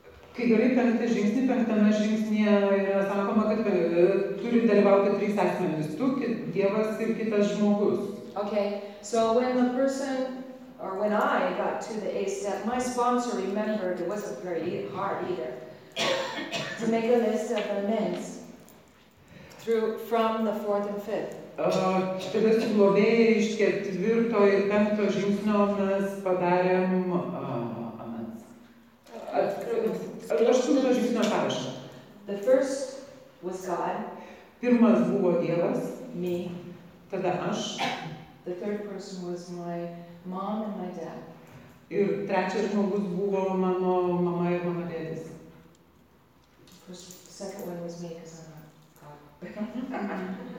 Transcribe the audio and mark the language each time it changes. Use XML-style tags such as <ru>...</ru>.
<lt>Kai gerai penktą žingsnį, penktame žingsnyje yra sakoma, kad turi dalyvauti 3 asmenys, tu, Dievas ir kitas žmogus.</lt> <en>Okay, so when the person, or when I got to the 8th step, my sponsor remembered, it wasn't very hard either, to make a list of amends from the 4th and 5th.</en> <lt>Tada su globėja iš ketvirto ir penkto žingsnio mes padarėm amends. Aštunto žingsnio sąrašą.</lt> <en>The first was God.</en> <lt>Pirmas buvo Dievas.</lt> <en>Me.</en> <lt>Tada aš.</lt> <en>The third person was my mom and my dad.</en> <lt>Ir trečias žmogus buvo mano mama ir mano tėtis.</lt> <en>Second one was me, because I'm not God.</en>